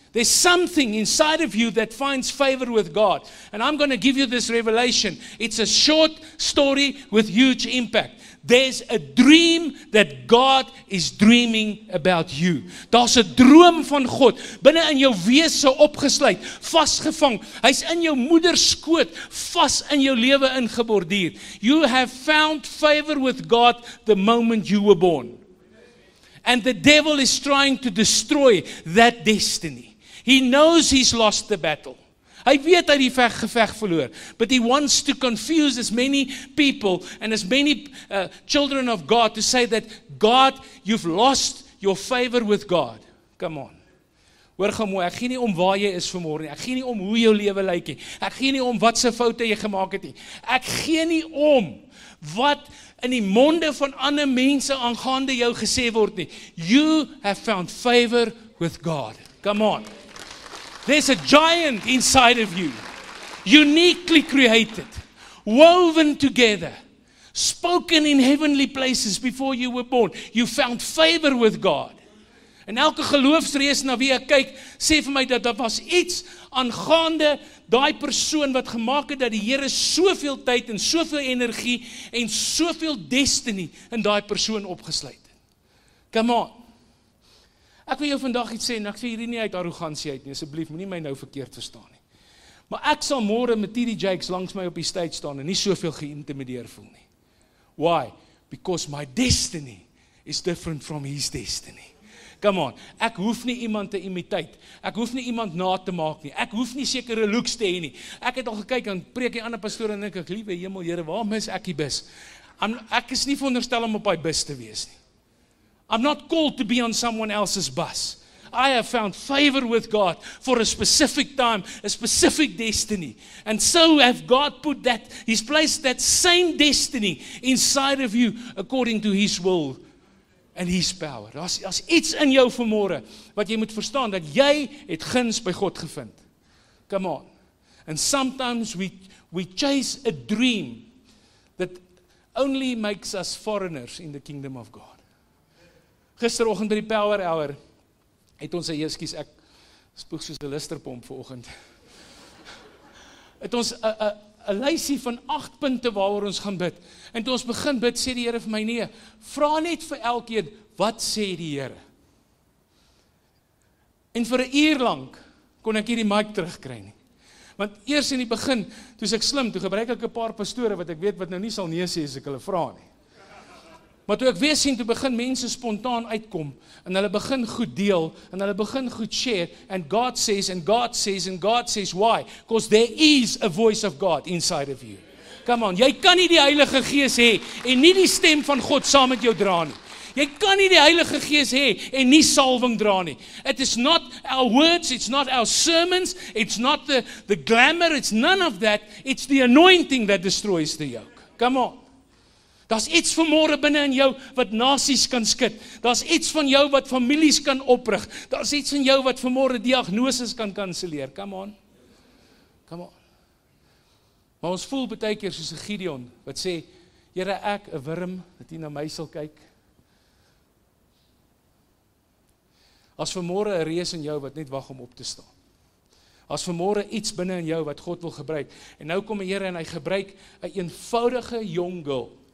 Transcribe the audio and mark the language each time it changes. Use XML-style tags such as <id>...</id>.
<en>There's something inside of you that finds favor with God. And I'm going to give you this revelation. It's a short story with huge impact. There's a dream that God is dreaming about you.</en> <af>Daar's 'n droom van God binne in jou wese opgesluit, vasgevang. Hy's in jou moeder se skoot, vas in jou lewe ingeborduur.</af> <en>You have found favor with God the moment you were born. And the devil is trying to destroy that destiny. He knows he's lost the battle.</en> <af>Hy weet hy het die geveg verloor.</af> <en>But he wants to confuse as many people and as many children of God to say that God, you've lost your favor with God. Come on.</en> <af>Hoor gou mooi, ek gee nie om waar jy is vanmôre nie. Ek gee nie om hoe jou lewe lyk nie. Ek gee nie om watse foute jy gemaak het nie. Ek gee nie om wat in die monde van ander mense aangaande jou gesê word nie.</af> <en>You have found favor with God. Come on. There's a giant inside of you, uniquely created, woven together, spoken in heavenly places before you were born. You found favor with God.</en> <af>En elke geloofsreis na wie ek kyk, sê vir my dat daar was iets aangaande daai persoon wat gemaak het dat die Here soveel tyd en soveel energie en soveel destiny in daai persoon opgesluit het.</af> <en>Come on.</en> <af>Ek wil jou vandag iets sê, en ek sê hierdie nie uit arrogantie uit nie, asseblief, moenie my nou verkeerd verstaan nie. Maar ek sal môre met T.D. Jakes langs my op die stage staan en nie soveel geïntimideer voel nie.</af> <en>Why? Because my destiny is different from his destiny. Come on,</en> <af>ek hoef nie iemand te imiteit, ek hoef nie iemand na te maak nie, ek hoef nie sekere looks te hê nie. Ek het al gekyk en preek die ander pastoor en ek liewe hemel, Here, waar mis ek die bus? Ek is nie veronderstel om op die bus te wees nie.</af> <en>I'm not called to be on someone else's bus. I have found favor with God for a specific time, a specific destiny. And so have God put that, he's placed that same destiny inside of you according to his will and his power.</en> <af>As iets in jou vanmôre wat jy moet verstaan, dat jy het guns by God gevind.</af> <en>Come on. And sometimes we chase a dream that only makes us foreigners in the kingdom of God.</en> <af>Gisteroggend by die Power Hour het ons eerskies, ek spoeg soos 'n listerpomp vanoggend. Het ons 'n lysie van 8 punte waaroor ons gaan bid. En toe ons begin bid, sê die Here vir my, nee, vra net vir elkeen, wat sê die Here? En vir 'n uur lank kon ek hierdie mic terugkry nie. Want eers in die begin, toe ek slim, toe gebruik ek 'n paar pastore wat ek weet wat nou nie sal nee sê as ek hulle vra nie. Maar toe ek weer sien, toe begin mense spontaan uitkom, en hulle begin goed deel, en hulle begin goed share,</af> <en>and God says, and God says, and God says, why? Because there is a voice of God inside of you. Come on,</en> <af>jy kan nie die Heilige Gees hê, en nie die stem van God saam met jou dra nie. Jy kan nie die Heilige Gees hê, en nie salwing dra nie.</af> <en>It is not our words, it's not our sermons, it's not the glamour, it's none of that, it's the anointing that destroys the yoke. Come on.</en> <af>Daar's iets vanmôre binne in jou wat nasies kan skud. Daar's iets van jou wat families kan oprig. Daar's iets in jou wat vanmôre diagnoses kan kanselleer.</af> <en>Come on. Come on.</en> <af>Maar ons voel baie keer soos 'n Gideon wat sê, Here, ek 'n wurm wat hier na my sal kyk. As vanmôre 'n reus in jou wat net wag om op te staan. As vanmôre iets binne in jou wat God wil gebruik. En nou kom die Here en hy gebruik 'n eenvoudige jong girl.</af>